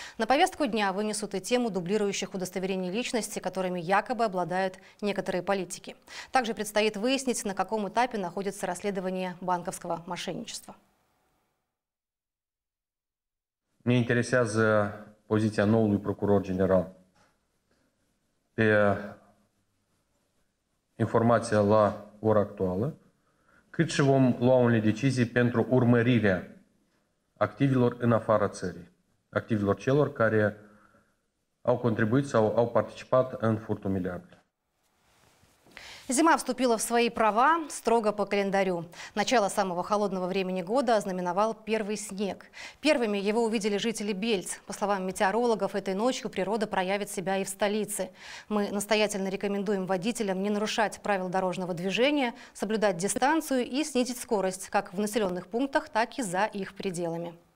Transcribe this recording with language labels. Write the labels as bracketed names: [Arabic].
[Russian] На повестку дня вынесут и тему дублирующих удостоверений личности, которыми якобы обладают некоторые политики. Также предстоит выяснить, на каком этапе находится расследование банковского мошенничества. Мне интересует позиция нового прокурора-генерала. [Romanian] Informația la ora actuală, cât și vom lua unele decizii pentru urmărirea activilor în afara țării, activilor celor care au contribuit sau au participat în furtul miliardului. [Russian] Зима вступила в свои права строго по календарю. Начало самого холодного времени года ознаменовал первый снег. Первыми его увидели жители Бельц. По словам метеорологов, этой ночью природа проявит себя и в столице. Мы настоятельно рекомендуем водителям не нарушать правил дорожного движения, соблюдать дистанцию и снизить скорость как в населенных пунктах, так и за их пределами.